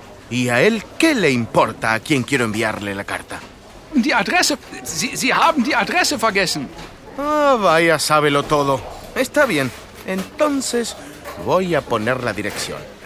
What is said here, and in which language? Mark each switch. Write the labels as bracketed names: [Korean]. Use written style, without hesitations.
[Spanish] ¿Y a él qué le importa a quién quiero enviarle la carta? [German] Die Adresse. Sie haben die Adresse vergessen. [Spanish] Ah, vaya, sábelo todo. Está bien. Entonces voy a poner la dirección.